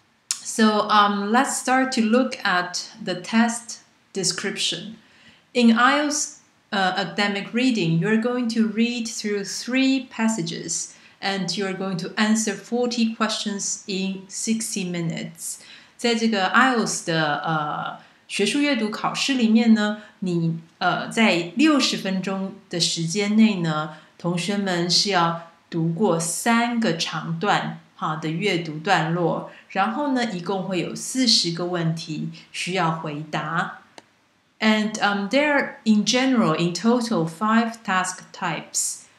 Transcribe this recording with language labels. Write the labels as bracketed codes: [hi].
[en] So let's start to look at the test description. In IELTS academic reading, you're going to read through three passages. And you're going to answer 40 questions in 60 minutes. [zh] 在这个 IELTS 的学术阅读考试里面呢，你在60分钟的时间内呢，同学们是要读过三个长段好的阅读段落，然后呢，一共会有40个问题需要回答。 [en] And there are in general, in total, 5 task types.